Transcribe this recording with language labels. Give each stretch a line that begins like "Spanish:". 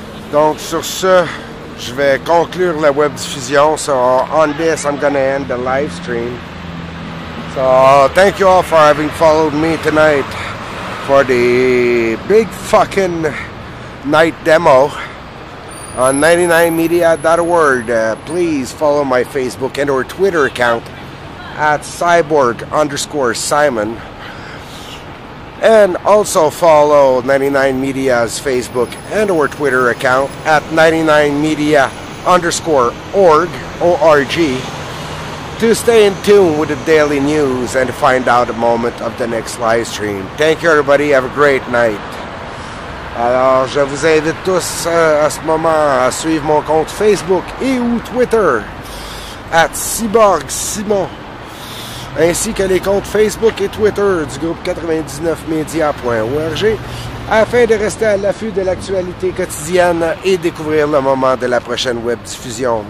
French: Donc, sur ce, je vais conclure la webdiffusion.
English: So, on this, I'm gonna end the live stream. So, thank you all for having followed me tonight for the big fucking night demo on 99media.org. Please follow my Facebook and or Twitter account at cyborg_Simon, and also follow 99 Media's Facebook and or Twitter account at 99media_org to stay in tune with the daily news and find out the moment of the next live stream. Thank you, everybody. Have a great night.
French: Alors, je vous invite tous à ce moment à suivre mon compte Facebook et ou Twitter @CyborgSimon, ainsi que les comptes Facebook et Twitter du groupe 99media.org, afin de rester à l'affût de l'actualité quotidienne et découvrir le moment de la prochaine webdiffusion.